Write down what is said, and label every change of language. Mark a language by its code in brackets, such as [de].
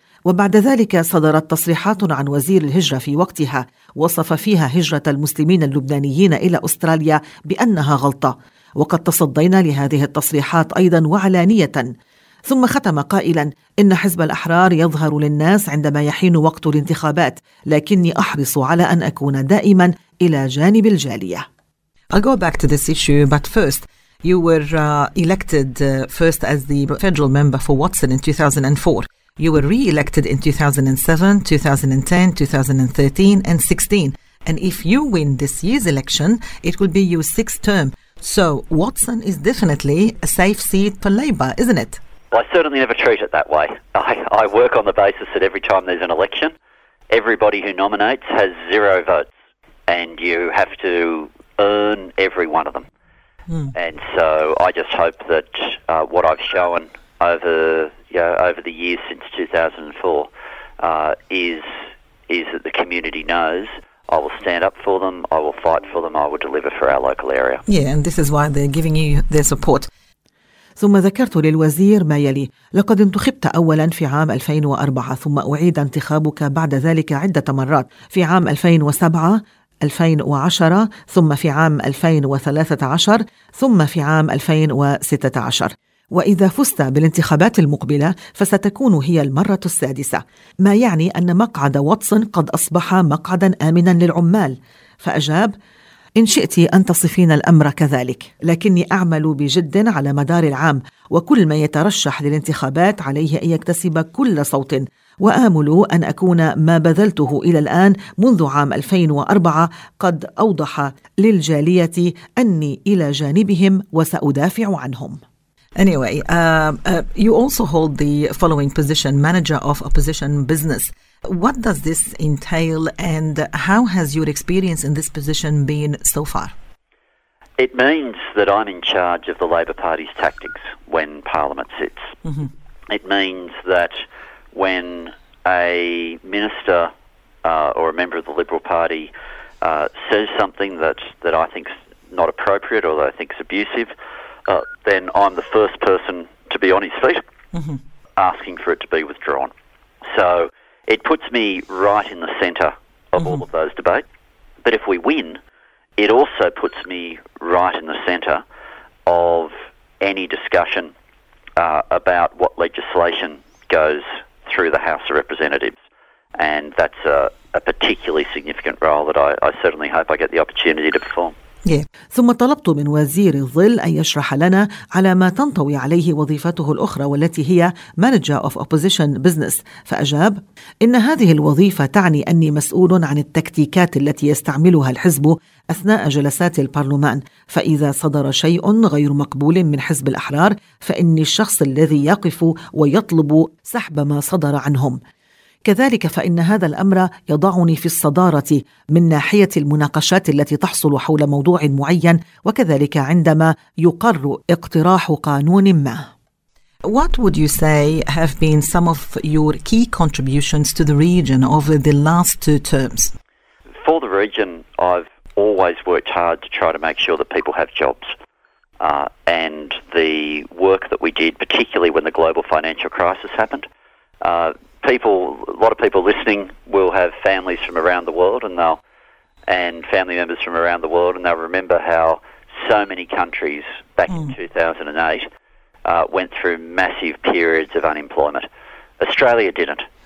[ar] وبعد ذلك صدرت تصريحات عن وزير الهجرة في وقتها وصف فيها هجرة المسلمين اللبنانيين إلى أستراليا بأنها غلطة، وقد تصدينا لهذه التصريحات أيضا وعلانية. ثم ختم قائلا: إن حزب الأحرار يظهر للناس عندما يحين وقت الانتخابات، لكني أحرص على أن أكون دائما إلى جانب الجالية. [en] I'll go back to this issue, but first, you were elected first as the federal member for Watson in 2004. You were re-elected in 2007, 2010, 2013 and 16. And if you win this year's election, it will be your sixth term. So Watson is definitely a safe seat for Labour, isn't it? Well, I certainly never treat it that way. I work on the basis that every time there's an election, everybody who nominates has zero votes, and you have to earn every one of them. And so I just hope that what I've shown over, you know, over the years since 2004 is that the community knows I will stand up for them, I will fight for them, I will deliver for our local area. Yeah, and this is why they're giving you their support. [ar] ثم ذكرت للوزير ما يلي: لقد انتخبت أولا في عام 2004 ثم أعيد انتخابك بعد ذلك عدة مرات في عام 2007 2010 ثم في عام 2013 ثم في عام 2016 وإذا فزت بالانتخابات المقبلة فستكون هي المرة السادسة ما يعني أن مقعد واتسون قد أصبح مقعدا آمنا للعمال فأجاب إن شئت أن تصفين الأمر كذلك لكني أعمل بجد على مدار العام وكل من يترشح للانتخابات عليه أن يكتسب كل صوت وآمل أن أكون ما بذلته إلى الآن منذ عام 2004 قد أوضح للجالية أني إلى جانبهم وسأدافع عنهم. [en] Anyway, you also hold the following position, manager of opposition business. What does this entail and how has your experience in this position been so far? It means that I'm in charge of the Labor Party's tactics when Parliament sits. Mm-hmm. It means that when a minister or a member of the Liberal Party says something that I think's not appropriate or that I think's abusive, then I'm the first person to be on his feet, mm-hmm. asking for it to be withdrawn. So it puts me right in the centre of mm-hmm. all of those debates. But if we win, it also puts me right in the centre of any discussion about what legislation goes through the House of Representatives. And that's a particularly significant role that I certainly hope I get the opportunity to perform. Yeah. [ar] ثم طلبت من وزير الظل أن يشرح لنا على ما تنطوي عليه وظيفته الأخرى والتي هي [en] Manager of Opposition Business [ar] فأجاب إن هذه الوظيفة تعني أني مسؤول عن التكتيكات التي يستعملها الحزب أثناء جلسات البرلمان فإذا صدر شيء غير مقبول من حزب الأحرار فإني الشخص الذي يقف ويطلب سحب ما صدر عنهم كذلك فإن هذا الأمر يضعني في الصدارة من ناحية المناقشات التي تحصل حول موضوع معين وكذلك عندما يقر اقتراح قانون ما. [en] What would you say have been some of your key contributions to the region over the last two terms? For the region, I've always worked hard to try to make sure that people have jobs. And the work that we did, particularly when the global financial crisis happened, a lot of people listening will have families from around the world and family members from around the world, and they'll remember how so many countries back in 2008 went through massive periods of unemployment. Australia didn't.